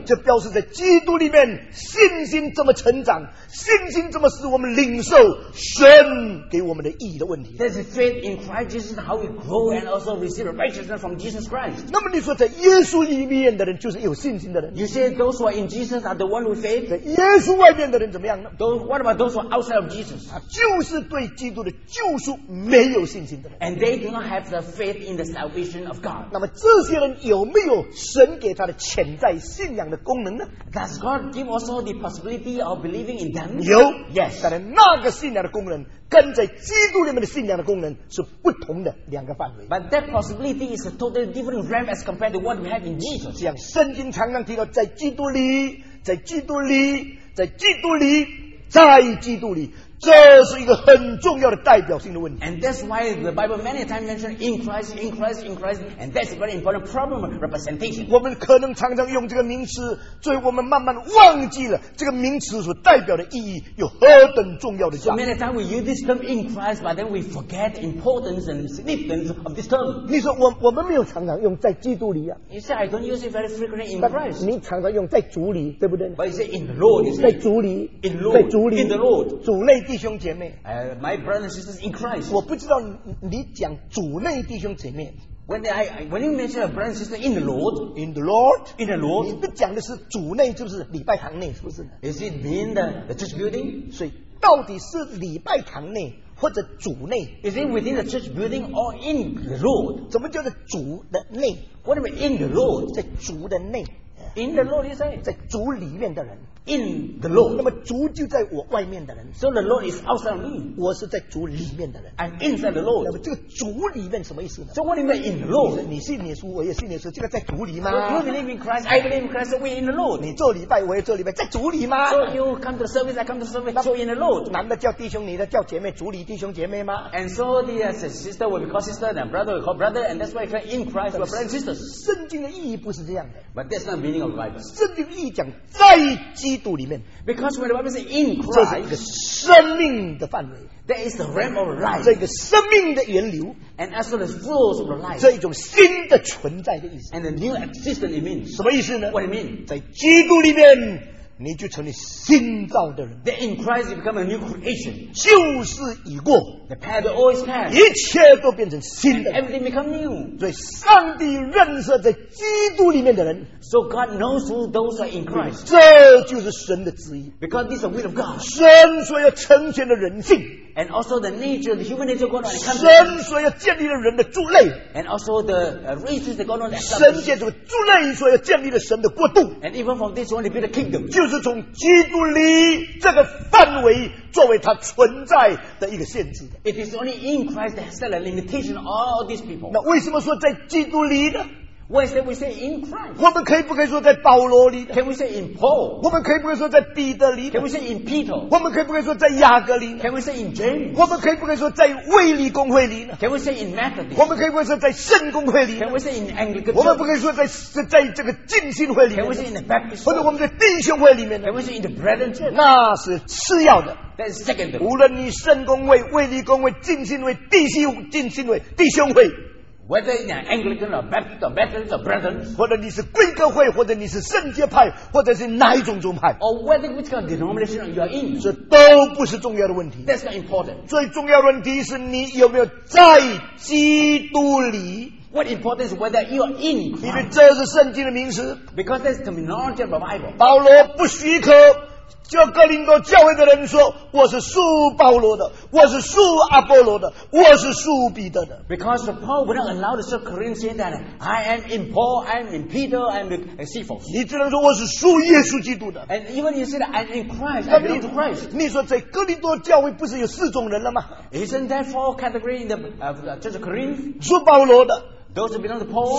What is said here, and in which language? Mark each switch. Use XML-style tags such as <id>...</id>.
<zh>这表示在基督里面信心这么成长，信心这么使我们领受神给我们的义的问题。</zh> <en>That's faith in Christ Jesus, how we grow and also receive righteousness from Jesus Christ.</en> <zh>那么你说在耶稣里面的人就是有信心的人。</zh> <en>You say those who are in Jesus are the one with faith.</en> <zh>在耶稣外面的人怎么样呢</zh> <en>What about those who are outside of Jesus?</en> <zh>就是对基督的救赎没有信心的人。</zh> <en>And they do not have the faith in the salvation of God.</en> <zh>那么这些人有没有神给他的潜在信仰的功能呢</zh> <en>Does God give also the possibility of believing in them?</en> <zh>有</zh> <en>Yes.</en> <zh>但是那个信仰的功能跟在基督里面的信仰的功能是不同的两个范围。</zh> <en>But that possibility is a totally different realm as compared to what we have in Jesus.</en> <zh>这样圣经常常提到在基督里，在基督里，在基督里，在基督里。这是一个很重要的代表性的问题。</zh> <en>And that's why the Bible many times mentions in Christ, in Christ, in Christ, and that's a very important problem of representation.</en> <zh>我们可能常常用这个名词，所以我们慢慢忘记了这个名词所代表的意义有何等重要的价值。</zh> <en>So many times we use this term in Christ, but then we forget importance and significance of this term.</en> <zh>你说我们没有常常用在基督里啊</zh> <en>You say I don't use it very frequently in Christ.</en> <zh>你常常用在主里，对不对</zh> <en>？But you say in the Lord.</en> <zh>在主里</zh> <en>，in the Lord，</en> <zh>在主里</zh> <en>，in the Lord，</en> <zh>主内。弟兄姐妹</zh> <en>my brothers and sisters in Christ</en> <zh>我不知道 你讲主内弟兄姐妹</zh> <en>when you mention a brother and sister in the Lord in the Lord in the Lord</en> <zh>你不讲的是主内就是礼拜堂内是不是</zh> <en>is it mean the church building</en> <zh>所以到底是礼拜堂内或者主内</zh> <en>is it within the church building or in the Lord</en> <zh>怎么叫做主的内</zh> <en>what do you mean in the Lord</en> <zh>在主的内</zh> <en>In the Lord, he said.</en> <zh>在主里面的人。</zh> <en>In the Lord.</en> <zh>那么主就在我外面的人。</zh> <en>So the Lord is outside of me.</en> <zh>我是在主里面的人。</zh> <en>I'm inside the Lord.</en> <zh>那么这个主里面什么意思呢？</zh> <en>So what do you mean in the Lord?</en> <zh>你信耶稣，我也信耶稣，这个在主里吗？</zh> <en>You believe in Christ, I believe in Christ, we in the Lord.</en> <zh>你做礼拜，我也做礼拜，在主里吗？</zh> <en>So you come to the service, I come to the service, so in the Lord.</en> <zh>男的叫弟兄，女的叫姐妹，主里弟兄姐妹吗？</zh> <en>And so the sister will be called sister, and brother will be called brother, and that's why we're in Christ, we're brothers and sisters.</en> <zh>圣经的意义不是这样的。</zh> <en>But that's not the meaning of the Bible.</en> <zh>圣经意义讲在基督里面。</zh> <en>Because when the Bible says in Christ,</en> <zh>这是一个生命的范围。</zh> <en>There is the realm of life.</en> <zh>这个生命的源流。</zh> <en>And as well as flows of the life.</en> <zh>这一种新的存在的意思。</zh> <en>And the new existence it means.</en> <zh>什么意思呢？</zh> <en>What it means?</en> <zh>在基督里面。你就成为新造的人。</zh> <en>Then in Christ you become a new creation.</en> <zh>旧事已过。</zh> <en>The past always passed.</en> <zh>一切都变成新的。</zh> <en>And everything become new.</en> <zh>所以上帝认识在基督里面的人。</zh> <en>So God knows who those are in Christ.</en> <zh>这就是神的旨意。</zh> <en>Because this is the will of God.</en> <zh>神所要成全的人性。</zh> <en>And also the nature, the human nature of God.</en> <zh>神所要建立的人的柱肋。</zh> <en>And also the reasons that God knows.</en> <zh>神借着柱肋所要建立的神的国度。</zh> <en>And even from this one, they build a kingdom.</en> <zh>就是从基督里这个范围作为他存在的一个限制。</zh> <en>It is only in Christ that set a limitation on all these people.</en> <zh>那为什么说在基督里呢？</zh> <en>Why should we say in Christ?</en> <zh>我们可以不可以说在保罗里？</zh> <en>Can we say in Paul?</en> <zh>我们可以不可以说在彼得里？</zh> <en>Can we say in Peter?</en> <zh>我们可以不可以说在雅各里？</zh> <en>Can we say in James?</en> <zh>我们可以不可以说在卫理公会里？</zh> <en>Can we say in Methodist?</en> <zh>我们可以不可以说在圣公会里？</zh> <en>Can we say in Anglican?</en> <zh>我们不可以说在这个浸信会里？</zh> <en>Can we say in the Baptist?</en> <zh>或者我们在弟兄会里面？</zh> <en>Can we say in the Brethren Church?</en> <zh>那是次要的。</zh> <en>That is secondary.</en> <zh>无论你圣公会、卫理公会、浸信会、弟兄会。</zh> <en>Whether in an Anglican or Baptist or Methodist or Brethren,</en> <zh>或者你是归格会，或者你是圣洁派，或者是哪一种宗派</zh> <en>，or whether which kind of denomination you are in,</en> <zh>这都不是重要的问题。</zh> <en>That's not important.</en> <zh>最重要的问题是你有没有在基督里。</zh> <en>What important is whether you are in Christ?</en> <zh>因为这是圣经的名词。</zh> <en>Because that's the terminology of the Bible.</en> <zh>保罗不许可。叫哥林多教会的人说，我是属保罗的，我是属阿波罗的，我是属彼得的。</zh> <en>Because Paul would not allow the church Corinthians that I am in Paul, I am in Peter, I am in Cephas.</en> <zh>你只能说我是属耶稣基督的。</zh> <en>And even you say that I'm in Christ, I'm in Christ.</en> <zh>你说在哥林多教会不是有四种人了吗</zh> <en>？Isn't there four categories in the church Corinth?</en> <zh>属保罗的。</zh> <en>Those who belong to Paul,</en>